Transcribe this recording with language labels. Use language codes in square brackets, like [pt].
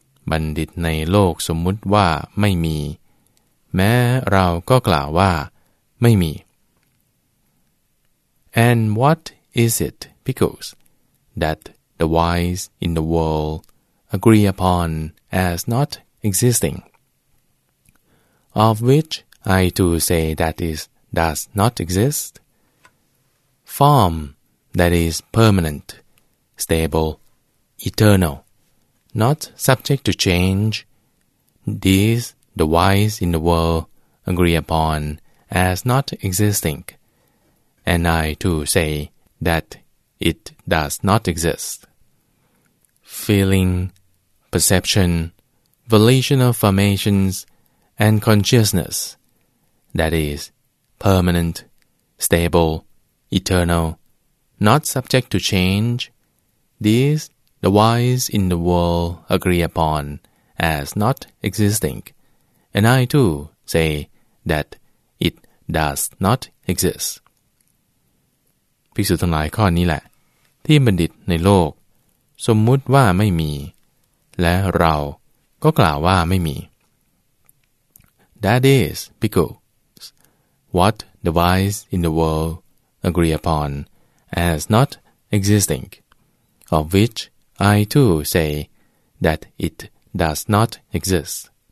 [th] บัณฑิตในโลกสมมุติว่าไม่มีแม้เราก็กล่าวว่าไม่มี [en] And what is it, bhikkhus, that the wise in the world agree upon as not existing? Of which I too say that is does not exist. Form that is permanent, stable, eternal, not subject to change, these the wise in the world agree upon as not existing, and I too say that it does not exist. Feeling, perception, volitional formations, and consciousness, that is, permanent, stable, eternal, not subject to change, these the wise in the world agree upon as not existing, and I too say that it does not exist. [th] ภิกษุทั้งหลายข้อนี้แหละที่บัณฑิตในโลกสมมุติว่าไม่มีและเราก็กล่าวว่าไม่มี [en] That is, because what the wise in the world agree upon as not existing, of which I too say that it does not exist.